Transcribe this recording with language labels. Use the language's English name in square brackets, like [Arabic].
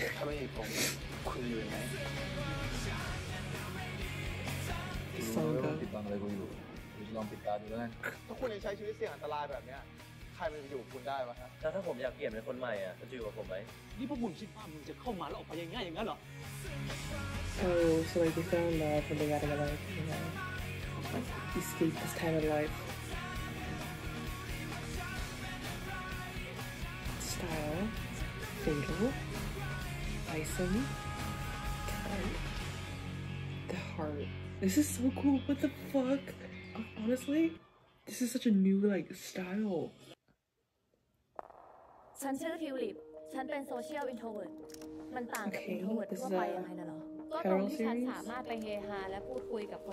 [Thai] ถ้าไม่ใช่ผมคุณอยู่ไหน ที่รู้ว่าติดตามอะไรกูอยู่กูจะลองติดตามดูแล้วกัน ถ้าคุณยังใช้ชีวิตเสี่ยงอันตรายแบบเนี้ยใครมันจะอยู่กับคุณได้วะฮะ แล้วถ้าผมอยากเปลี่ยนเป็นคนใหม่อ่ะจะอยู่กับผมไหม นี่พวกมึงคิดว่ามึงจะเข้ามาแล้วออกไปง่ายอย่างนั้นเหรอ [English] So like they found love and they got to like, you know, escape this kind of life. Style, fatal, icing, tight, the heart. This is so cool, what the fuck? Honestly, this is such a new like style. [Thai] ฉันชื่อทิวลิปฉันเป็นโซเชียลอินโทรเวิร์ตมันต่างกับอินโทรเวิร์ตทั่วไปยังไงน่ะเหรอก็ตรงที่ฉันสามารถไปเฮฮาและพูดคุยกับคน